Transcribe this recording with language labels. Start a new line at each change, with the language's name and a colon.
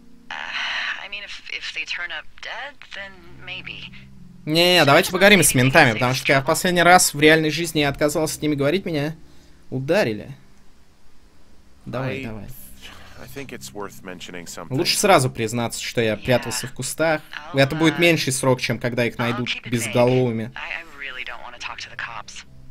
English: I mean, if they turn up dead, then maybe.
Russian: Не, давайте поговорим с ментами, потому что я в последний раз в реальной жизни я отказался с ними говорить, меня ударили. Давай.
English: I think it's worth mentioning something.
Russian: Лучше сразу признаться, что я прятался в кустах. Это будет меньший срок, чем когда их найдут безголовыми.
English: I really don't want to talk to the cops.